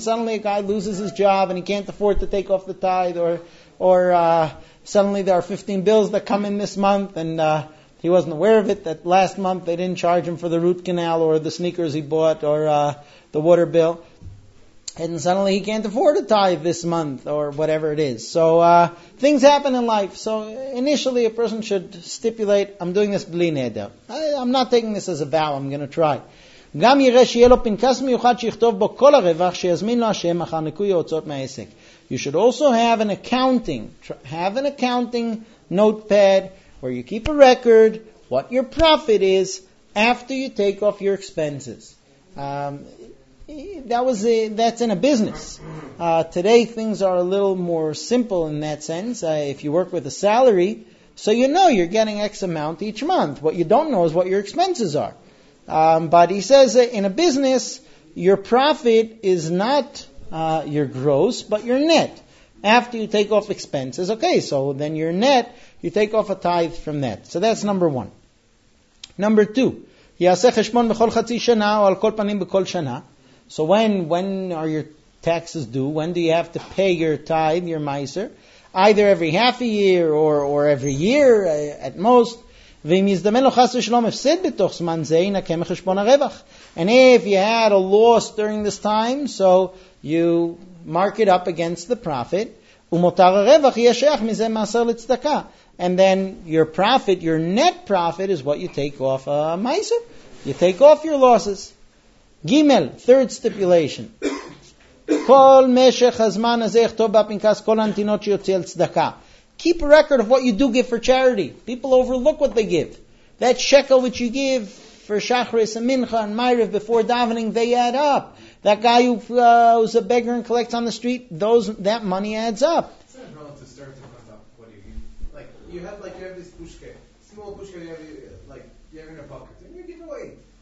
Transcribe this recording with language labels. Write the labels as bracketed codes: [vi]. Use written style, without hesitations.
[en] Suddenly a guy loses his job and he can't afford to take off the tithe, or suddenly there are 15 bills that come in this month and he wasn't aware of it, that last month they didn't charge him for the root canal or the sneakers he bought or the water bill. And suddenly he can't afford a tithe this month or whatever it is. So things happen in life. So initially a person should stipulate, I'm doing this bli neder. I'm not taking this as a vow, I'm going to try. [he] גם יראה שיהיה לו פנקס מיוחד שיכתוב בו כל הרווח שיזמין לו השם אחר ניקוי ההוצאות מהעסק. [en] You should also have an accounting. Have an accounting notepad where you keep a record what your profit is after you take off your expenses. That's in a business. Today things are a little more simple in that sense. If you work with a salary, so you know you're getting X amount each month. What you don't know is what your expenses are. But he says that in a business, your profit is not your gross, but your net. After you take off expenses, okay, so then your net, you take off a tithe from that. So that's number one. Number two, [he] יעשה חשבון בכל חצי שנה או על כל פנים בכל שנה. [en] So when are your taxes due? When do you have to pay your tithe, your miser? Either every half a year or every year at most. [he] ואם יזדמן לו חס ושלום הפסד בתוך זמן זה, ינקה מחשבון הרווח. [en] And if you had a loss during this time, so you mark it up against the profit. [he] ומותר הרווח יהיה שייך מזה מעשר לצדקה. [en] And then your profit, your net profit, is what you take off a miser. You take off your losses. Gimel, third stipulation. [he] כל משך הזמן הזה יכתוב בפנקס כל הנתינות שיוציא על צדקה. [en] Keep a record of what you do give for charity. People overlook what they give. That shekel which you give for Shachris and Mincha and Ma'ariv before davening, they add up. That guy who's a beggar and collects on the street, that money adds up. It's not wrong to start to fund up. What do you mean? You have this pushke, small pushke, you have in your pocket, and you give away.